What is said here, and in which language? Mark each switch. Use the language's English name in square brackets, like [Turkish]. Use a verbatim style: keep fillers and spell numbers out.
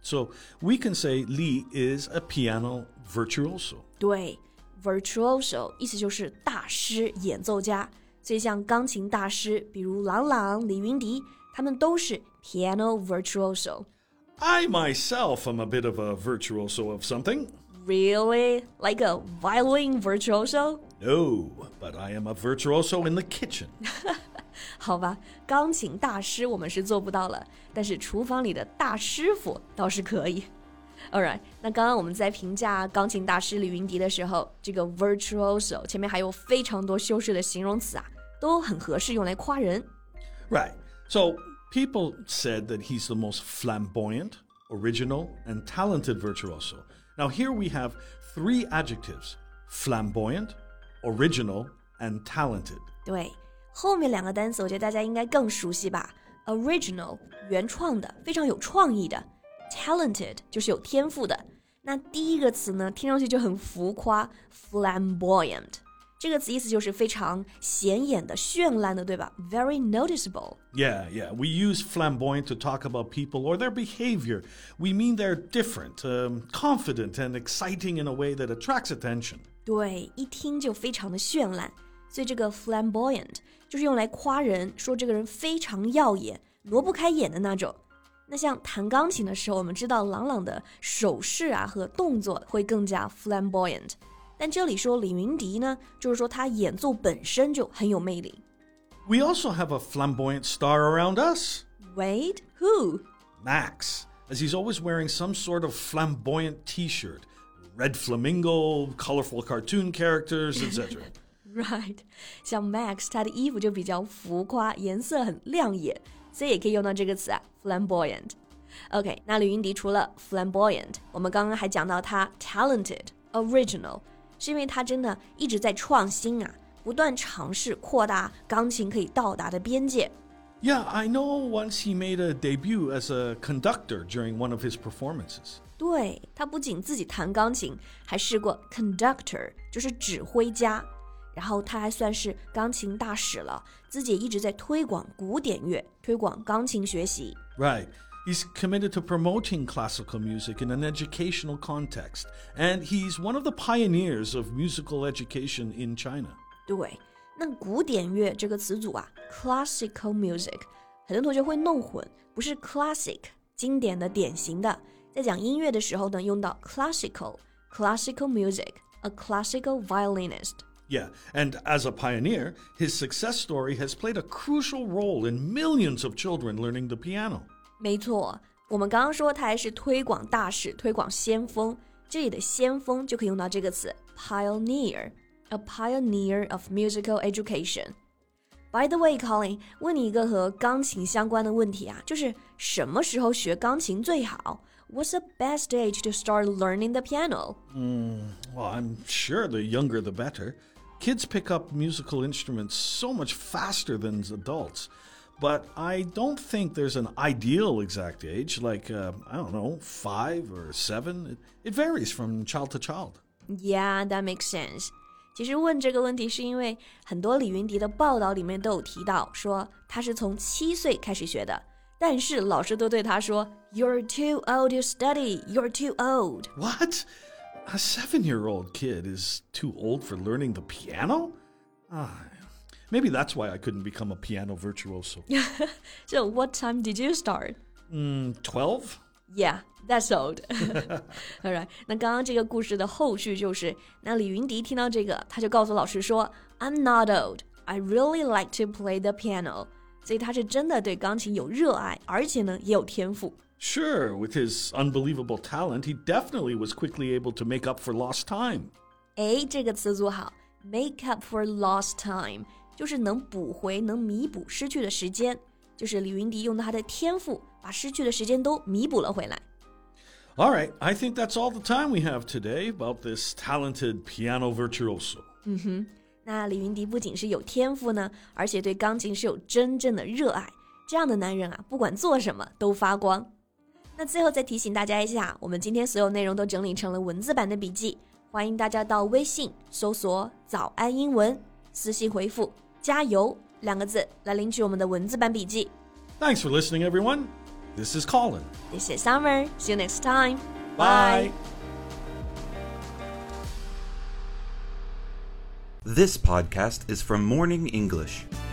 [English] So we can say Li is a piano virtuoso. [Chinese] 对 ,virtuoso 意思就是大师演奏家。所以像钢琴大师，比如郎朗、李云迪，他们都是 [English] piano virtuoso. I myself am a bit of a virtuoso of something. Really? Like a violin virtuoso? No, but I am a virtuoso in the kitchen. [Chinese] 好吧，钢琴大师我们是做不到了，但是厨房里的大师傅倒是可以。 [English] All right， [Chinese] 那刚刚我们在评价钢琴大师李云迪的时候，这个 virtuoso 前面还有非常多修饰的形容词啊，都很合适用来夸人。 [English] Right. So people said that he's the most flamboyant, original, and talented virtuoso. Now here we have three adjectives: flamboyant, original, and talented. [Chinese] 对，后面两个单词我觉得大家应该更熟悉吧 ？Original 原创的，非常有创意的。 Talented 就是有天赋的。那第一个词呢，听上去就很浮夸 ，flamboyant 这个词意思就是非常显眼的、绚烂的，对吧 ？ [English] Very noticeable. Yeah, yeah. We use flamboyant to talk about people or their behavior. We mean they're different, um, confident, and exciting in a way that attracts attention. [Chinese] 对，一听就非常的绚烂。所以这个 flamboyant 就是用来夸人，说这个人非常耀眼，挪不开眼的那种。那像弹钢琴的时候，我们知道朗朗的手势啊和动作会更加 flamboyant， 但这里说李云迪呢，就是说他演奏本身就很有魅力。 [English] We also have a flamboyant star around us. Wait, who? Max, as he's always wearing some sort of flamboyant t-shirt, red flamingo, colorful cartoon characters, et cetera. Right, [Chinese] 像 Max 他的衣服就比较浮夸，颜色很亮眼。所以也可以用到这个词啊 flamboyant。OK， 那李云迪除了 flamboyant， 我们刚刚还讲到他 talented, original， 是因为他真的一直在创新啊，不断尝试扩大钢琴可以到达的边界。 [English] Yeah, I know once he made a debut as a conductor during one of his performances. [Chinese] 对，他不仅自己弹钢琴，还试过 conductor， 就是指挥家。然后他还算是钢琴大使了，自己一直在推广古典乐，推广钢琴学习。 [English] Right, he's committed to promoting classical music in an educational context, and he's one of the pioneers of musical education in China. [Chinese] 对，那古典乐这个词组啊 ，classical music， 很多同学会弄混，不是 classic 经典的、典型的，在讲音乐的时候呢，用到 classical, [English] classical music, a classical violinist. Yeah, and as a pioneer, his success story has played a crucial role in millions of children learning the piano. [Chinese] 没错，我们刚刚说他还是推广大使，推广先锋。这里的先锋就可以用到这个词 pioneer, [English] a pioneer of musical education. By the way, Colin, [Chinese] 问你一个和钢琴相关的问题啊，就是什么时候学钢琴最好？ [English] What's the best age to start learning the piano? Mm, well, I'm sure the younger the better. Kids pick up musical instruments so much faster than adults. But I don't think there's an ideal exact age, like, uh, I don't know, five or seven. It, it varies from child to child. Yeah, that makes sense. [Chinese] 其实问这个问题是因为很多李云迪的报道里面都有提到说他是从七岁开始学的。但是老师都对他说 [English] You're too old to study, you're too old. What? A seven-year-old kid is too old for learning the piano? Uh, maybe that's why I couldn't become a piano virtuoso. So what time did you start? Mm, twelve? Yeah, that's old. All right, [Chinese] 那刚刚这个故事的后续就是那李云迪听到这个他就告诉老师说 [English] I'm not old, I really like to play the piano. [Chinese] 所以他是真的对钢琴有热爱，而且呢也有天赋。 [English] Sure, with his unbelievable talent, he definitely was quickly able to make up for lost time. [Chinese] 哎，这个词组好 ， [English] make up for lost time [Chinese] 就是能补回、能弥补失去的时间，就是李云迪用他的天赋把失去的时间都弥补了回来。 [English] All right, I think that's all the time we have today about this talented piano virtuoso. 嗯哼。 [Chinese] 那李云迪不仅是有天赋呢，而且对钢琴是有真正的热爱。这样的男人啊，不管做什么都发光。那最后再提醒大家一下，我们今天所有内容都整理成了文字版的笔记，欢迎大家到微信搜索“早安英文”，私信回复“加油”两个字来领取我们的文字版笔记。 [English] Thanks for listening, everyone. This is Colin. This is Summer. See you next time. Bye. This podcast is from Morning English.